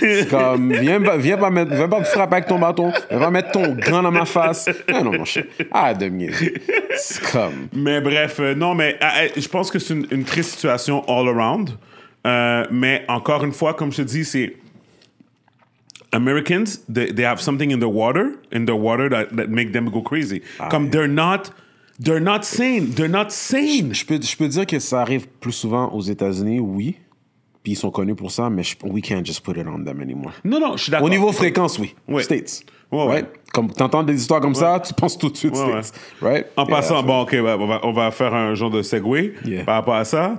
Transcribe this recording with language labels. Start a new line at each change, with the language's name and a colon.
French: Comme, viens pas me frapper avec ton bâton, viens pas mettre ton gant dans ma face. Mais non, mon chien. Ah, demi-heure. C'est comme... Mais bref, non, mais je pense que c'est une triste situation
English: all around.
French: Mais encore une fois, comme je te dis, c'est...
English: Americans, they have something in their water that make them go crazy.
French: Comme
English: they're not sane.
French: Je peux dire que ça arrive plus souvent aux États-Unis, oui. Puis ils sont connus pour ça, mais
English: we can't just put it on them anymore.
French: Non, je suis d'accord. Au niveau fréquence, oui. Ouais. States. Ouais.
English: Right?
French: Comme t'entends des histoires comme ça, tu penses tout de suite States. Ouais.
English: Right?
French: On va faire un genre de segue par rapport à ça.